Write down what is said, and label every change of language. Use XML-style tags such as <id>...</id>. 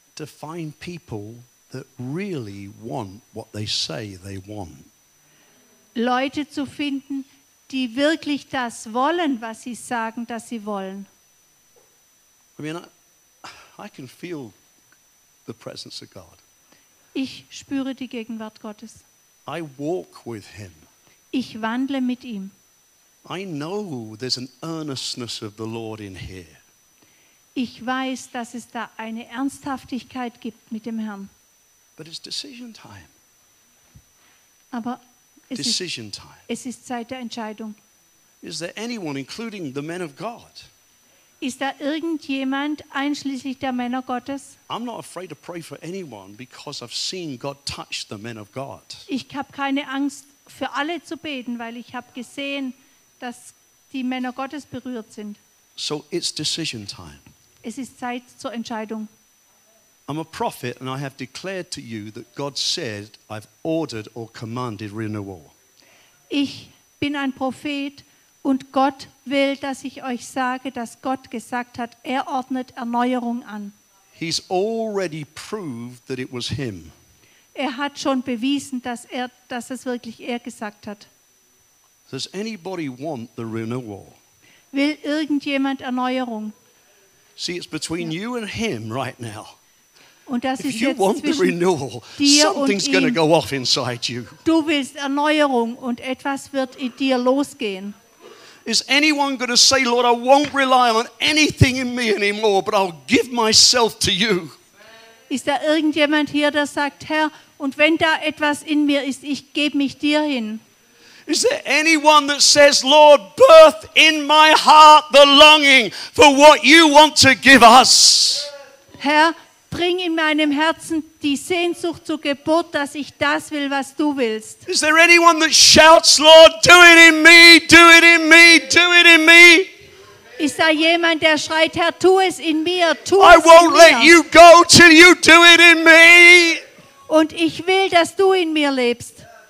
<en>To find people that really want what they say they want.</en> <de>Leute zu finden, die wirklich das wollen, was sie sagen, dass sie wollen.</de> <en>I mean, I can feel the presence of God.</en> <de>Ich spüre die Gegenwart Gottes.</de> <en>I walk with him.</en> <de>Ich wandle mit ihm.</de> <en>I know there's an earnestness of the Lord in here.</en> <de>Ich weiß, dass es da eine Ernsthaftigkeit gibt mit dem Herrn.</de> <en>But it's decision time.</en> <de>Aber es</de> <en>decision</en> <de>ist,</de> <en>time.</en> <de>Es ist Zeit der Entscheidung.</de> <en>Is there anyone, including the men of God?</en> <de>Ist da irgendjemand, einschließlich der Männer Gottes?</de> <en>I'm not afraid to pray for anyone because I've seen God touch the men of God.</en> <de>Ich habe keine Angst, für alle zu beten, weil ich habe gesehen, dass die Männer Gottes berührt sind.</de> <en>So it's decision time.</en> <de>Es ist Zeit zur Entscheidung.</de> <en>I'm a prophet and I have declared to you that God said I've ordered or commanded renewal.</en> <de>Ich bin ein Prophet. Und Gott will, dass ich euch sage, dass Gott gesagt hat, er ordnet Erneuerung an.</de> <en>He's already proved that it was him.</en> <de>Er hat schon bewiesen, dass es wirklich er gesagt hat.</de> <en>Does anybody want the renewal?</en> <de>Will irgendjemand Erneuerung?</de> <en>See, it's between you and him right now.</en> <de>Und das</de> <en>if</en> <de>ist</de> <en>you</en> <de>jetzt</de> <en>want the renewal, something's going to go off inside you.</en> <de>Du willst Erneuerung und etwas wird in dir losgehen.</de> <en>Is anyone going to say, Lord, I won't rely on anything in me anymore, but I'll give myself to you?</en> <de>Ist da irgendjemand hier, der sagt, Herr, und wenn da etwas in mir ist, ich gebe mich dir hin?</de> <en>Is there anyone that says, Lord, birth in my heart the longing for what you want to give us?</en> <de>Herr, bring in meinem Herzen die Sehnsucht zur Geburt, dass ich das will, was du willst.</de> <en>Is there anyone that shouts, Lord, do it in me, do it in me, do it in me?</en> <de>Ist da jemand, der schreit, Herr, tu es in mir, tu es in mir.</de> <en>I won't let you go till you do it in me.</en> <de>Und ich will, dass du in mir lebst.</de>